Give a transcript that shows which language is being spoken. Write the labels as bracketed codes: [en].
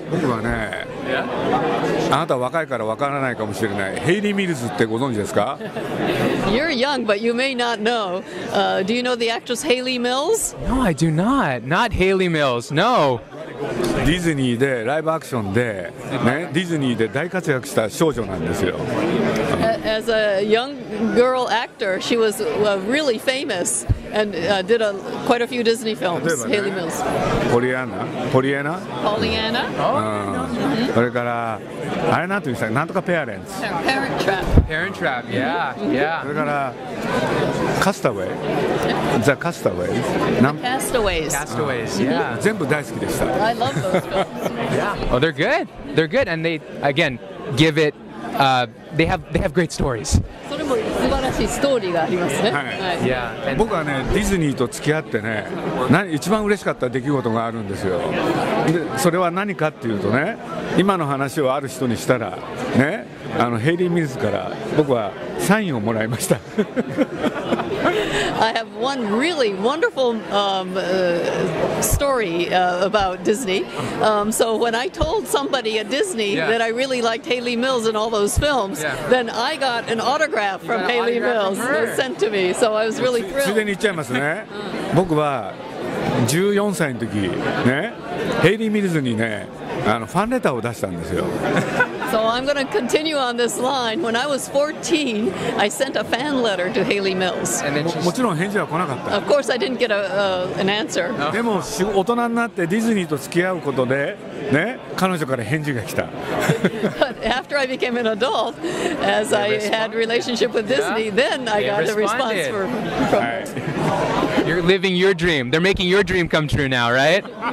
[ja] 僕はね、あなたは若いからわからないかもしれない、ヘイリー・ミルズってご存知ですか。 [en] You're young but you may not knowdo you know the actress Hayley Mills? No, I do not. Not Hayley Mills. No. [ja] ディズニーでライブアクションで、ね、ディズニーで大活躍した少女なんですよ。 [en] As a young girl actor, she was really famous and did quite a few Disney films. Hayley Mills. Pollyanna. Pollyanna. Pollyanna. Oh. [ja] それからあれなんて言ったなんとかペアレンツ。 [en] Parent Trap. Parent Trap. Yeah. Yeah. [ja] それからCastaway. The Castaways. [en] Castaways. Castaways. Yeah. [ja] 全部大好きでした。 [en] I love those films. Yeah. Oh, they're good. They're good, and they again give it. They have great stories. [ja] それも素晴らしいストーリーがありますね。はい。 [en] Yeah. [ja] 僕はね、ディズニーと付き合ってね、一番嬉しかった出来事があるんですよ。で、それは何かっていうとね、今の話をある人にしたら、ね、あのヘイリー・ミルズから僕はサインをもらいました。 [en] I have one really wonderful story about Disney. So when I told somebody at Disney yeah. that I really liked Hayley Mills in all those films, yeah. then I got an autograph from Hayley Mills sent to me. So I was really thrilled. [ja] ついでに言っちゃいますね。僕は14歳の時、ね、ヘイリー・ミルズにね、あのファンレターを出したんですよ。 [en] So I'm going to continue on this line. When I was 14, I sent a fan letter to Hayley Mills. [ja] もちろん返事は来なかった。 [en] Of course, I didn't get an answer. [ja] でも大人になってディズニーと付き合うことで、ね、彼女から返事が来た。 [en] But after I became an adult, as I had relationship with Disney, then I got a response from it. You're living your dream. They're making your dream come true now, right?